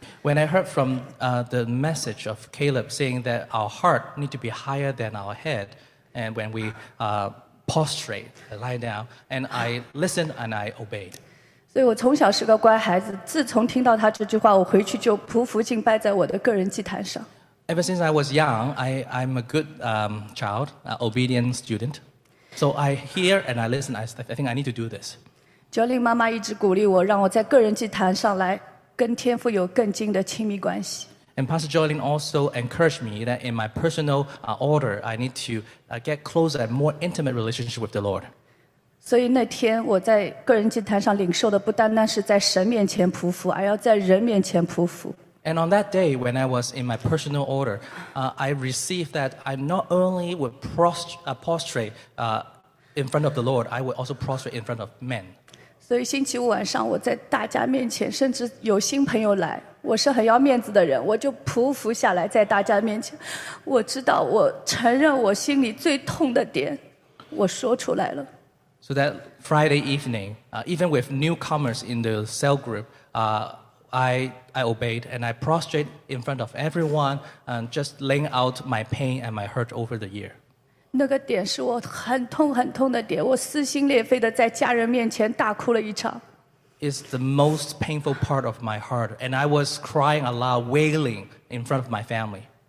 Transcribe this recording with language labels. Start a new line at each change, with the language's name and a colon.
English: When I heard from the message of Caleb saying that our heart need to be higher than our head, and when we prostrate, lie down, and I listened and I obeyed.
Chinese: 所以我从小是个乖孩子，自从听到他这句话，我回去就匍匐敬拜在我的个人祭坛上。
English: Ever since I was young, I'm a good child, an obedient student. So I hear and I listen. I think I need to do this.
Chinese: Jolene妈妈一直鼓励我, 让我在个人祭坛上来跟天父有更近的亲密关系。
English: And Pastor Jolene also encouraged me that in my personal order, I need to get closer and more intimate relationship with the Lord.
Chinese: 所以那天我在个人祭坛上领受的不单单是在神面前匍匐，而要在人面前匍匐。
English: And on that day, when I was in my personal order, I received that I not only would prostrate in front of the Lord, I would also prostrate in front of men.
Chinese: 所以星期五晚上我在大家面前，甚至有新朋友来，我是很要面子的人，我就匍匐下来在大家面前。我知道，我承认我心里最痛的点，我说出来了。
English: So that Friday evening, even with newcomers in the cell group, I obeyed and I prostrate in front of everyone and just laying out my pain and my hurt over the year.
Chinese: 那个点是我很痛很痛的点，我撕心裂肺的在家人面前大哭了一场。
English: It's the most painful part of my heart, and I was crying aloud, wailing in front of my family.